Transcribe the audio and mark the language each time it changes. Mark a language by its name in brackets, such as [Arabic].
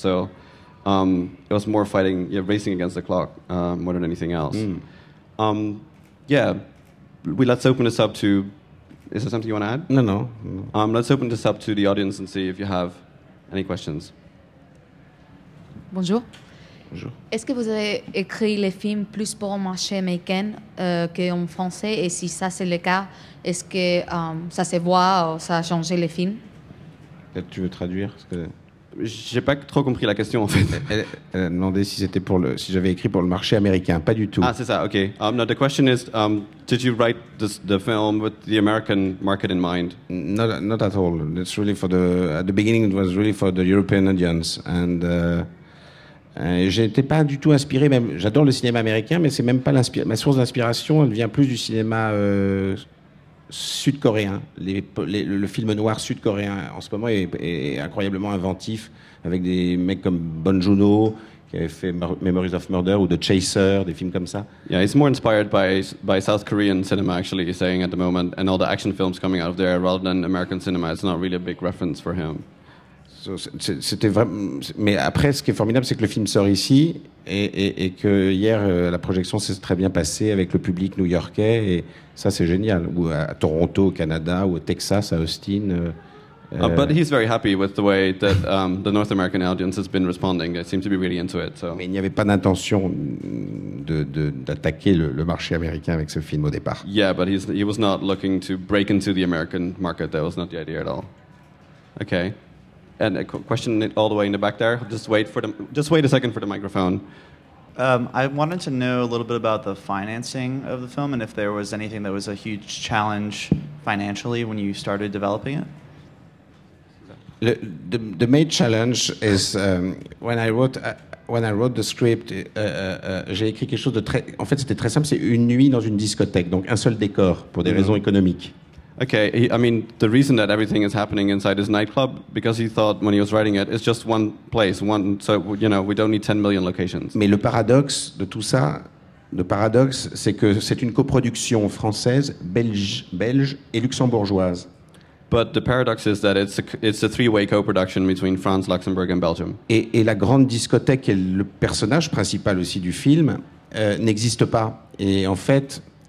[English] So it was more fighting, racing against the clock more than anything else. Mm. Let's open this up to... Is there something you want to add? No. Let's open this up to the audience and see if you have any questions. [French] Bonjour. Bonjour. Est-ce que vous avez écrit les films plus pour le marché américain qu'en français? Et si ça c'est le cas, est-ce que ça se voit ou ça a changé les films? Peut-être tu veux traduire? Parce que... J'ai pas trop compris la question en fait. Elle a demandé si c'était pour le, si j'avais écrit pour le marché américain. Pas du tout. Ah, c'est ça, ok. [English] No, the question is, did you write the film with the American market in mind? Not at all. It's really for the, at the beginning it was really for the European audience. And... [French] j'étais pas du tout inspiré, même j'adore le cinéma américain, mais c'est même pas ma source d'inspiration, elle vient plus du cinéma sud-coréen. Le film noir sud-coréen en ce moment est incroyablement inventif, avec des mecs comme Bong Joon-ho qui avait fait Memories of Murder ou The Chaser, des films comme ça. [English] Yeah, it's more inspired by South Korean cinema actually, he's saying at the moment, and all the action films coming out of there rather than American cinema. It's not really a big reference for him. [French] C'était vraiment... Mais après, ce qui est formidable, c'est que le film sort ici et que hier, la projection s'est très bien passée avec le public new-yorkais. Et ça, c'est génial. Ou à Toronto, au Canada, ou au Texas, à Austin. [English] But he's very happy with the way that the North American audience has been responding. They seem to be really into it. So. [French] Mais il n'y avait pas d'intention d'attaquer le marché américain avec ce film au départ. [English] Yeah, but he was not looking to break into the American market. That was not the idea at all. Okay. And a question all the way in the back there. Just wait a second for the microphone. I wanted to know a little bit about the financing of the film and if there was anything that was a huge challenge financially when you started developing it. The main challenge is when I wrote the script, [French] j'ai écrit quelque chose de très. En fait, c'était très simple. C'est une nuit dans une discothèque, donc un seul décor pour des raisons économiques. [English] Okay, the reason that everything is happening inside his nightclub, because he thought when he was writing it, it's just one place, we don't need 10 million locations. [French] Mais le paradoxe de tout ça, le paradoxe, c'est que c'est une coproduction française, belge et luxembourgeoise. [English] But the paradox is that it's a three-way co-production between France, Luxembourg and Belgium. [French] Et la grande discothèque, qui est le personnage principal aussi du film, n'existe pas. Et en fait...